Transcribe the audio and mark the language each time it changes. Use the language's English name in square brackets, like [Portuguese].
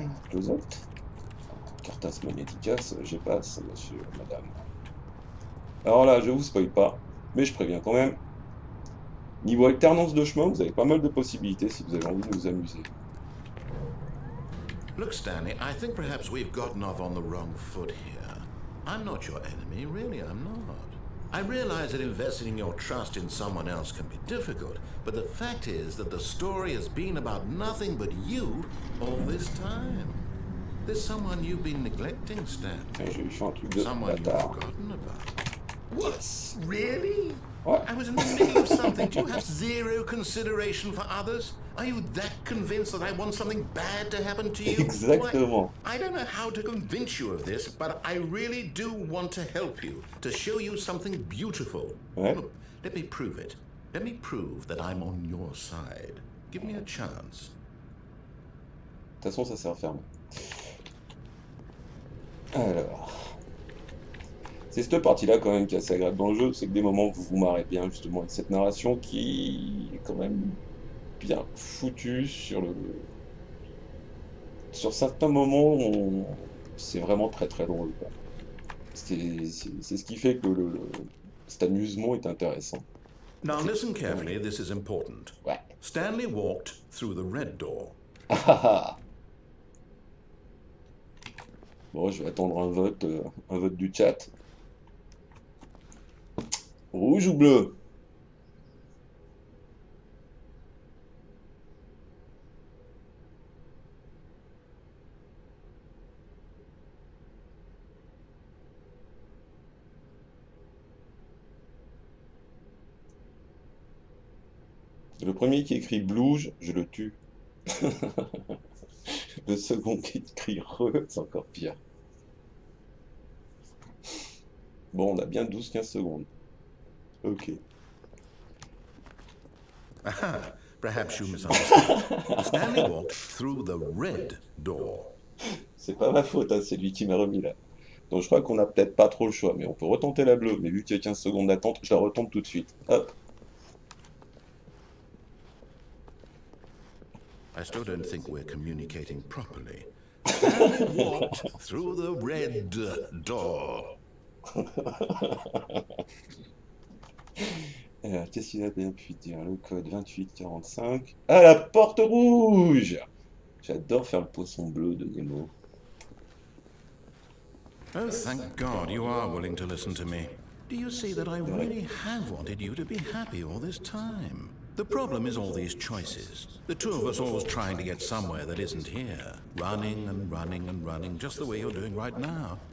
[English] Close out. [French] Cartas magneticas, j'y passe, monsieur, madame. Alors là, je vous spoil pas, mais je préviens quand même. Niveau alternance de chemin, vous avez pas mal de possibilités si vous avez envie de vous amuser. [English] Look, Stanley, I think perhaps we've gotten off on the wrong foot here. I'm not your enemy, really, I'm not. I realize that investing your trust in someone else can be difficult, but the fact is that the story has been about nothing but you all this time. There's someone you've been neglecting, Stanley. [French] Je lui fais un truc de [English] someone you've forgotten about. What? Really? What? I was in the middle of something. Do you have zero consideration for others? Are you that convinced that I want something bad to happen to you? [French] Exactement. [English] Well, I don't know how to convince you of this, but I really do want to help you, to show you something beautiful. [French] Ouais. [English] Look, let me prove it. Let me prove that I'm on your side. Give me a chance. [French] De toute façon, ça s'est refermé. Alors... C'est cette partie-là, quand même, qui est assez agréable dans le jeu. C'est que des moments où vous vous marrez bien, justement, avec cette narration qui est quand même bien foutue sur le... Sur certains moments, on... c'est vraiment très très drôle. C'est ce qui fait que le cet amusement est intéressant. [English] Now listen carefully, this is important. [French] Ouais. [English] Stanley walked through the red door. [French] Bon, je vais attendre un vote du chat. Rouge ou bleu? Le premier qui écrit blouge, je le tue. Le second qui écrit re, c'est encore pire. Bon, on a bien 12-15 secondes. Ok. [English] Aha, perhaps you misunderstood. Stanley walked through the red door. [French] C'est pas ma faute, hein, c'est lui qui m'a remis là. Donc je crois qu'on a peut-être pas trop le choix, mais on peut retenter la bleue. Mais vu qu'il y a 15 secondes d'attente, je la retente tout de suite. Hop. [English] I still don't think we're communicating properly. Stanley walked through the red door. [French] Alors, qu'est-ce qu'il a bien pu dire? Le code 2845. Ah, la porte rouge! J'adore faire le poisson bleu de Nemo. [English] Oh, thank God, you are willing to listen to me. Do you see that I really have wanted you to be happy all this time? The problem is all these choices. The two of us always trying to get somewhere that isn't here. Running and running and running, just the way you're doing right now.